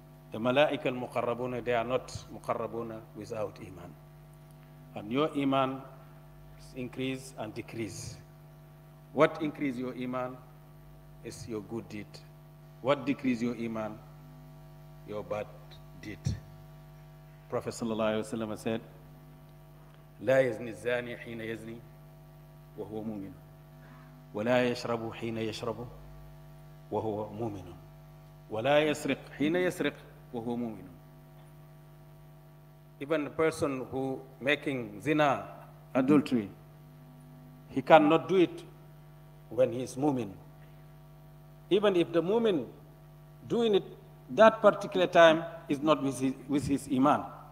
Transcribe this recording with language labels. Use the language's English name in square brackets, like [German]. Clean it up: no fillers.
[English] The malaika al-muqarrabuna, they are not muqarrabuna without iman. And your iman increase and decrease. What increase your iman is your good deed. What decrease your iman? Your bad deed. Prophet sallallahu alaihi wasallam said, [Arabic] لا يزني الزاني حين يزني وهو مؤمن ولا يشرب حين يشرب وهو مؤمن ولا يسرق حين يسرق وهو مؤمن. [English] Even a person who making zina, adultery, he cannot do it when he is mu'min. Even if the mu'min doing it that particular time is not with his iman.